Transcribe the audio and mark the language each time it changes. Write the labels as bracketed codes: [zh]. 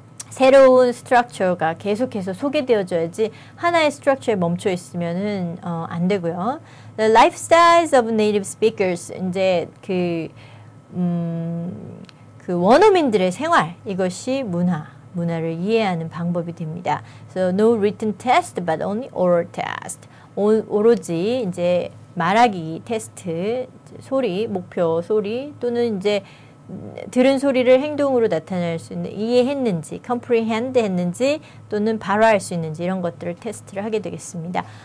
[ko] 새로운 structure가 계속해서 소개되어줘야지 하나의 structure에 멈춰있으면은 안 되고요. [en] The lifestyles of native speakers. [ko] 이제 그 원어민들의 생활. 이것이 문화. 문화를 이해하는 방법이 됩니다. [en] So no written test but only oral test. [ko] 오로지 이제 말하기 테스트, 소리, 목표 소리 또는 이제 들은 소리를 행동으로 나타낼 수 있는 이해했는지, comprehend 했는지 또는 발화할 수 있는지 이런 것들을 테스트를 하게 되겠습니다.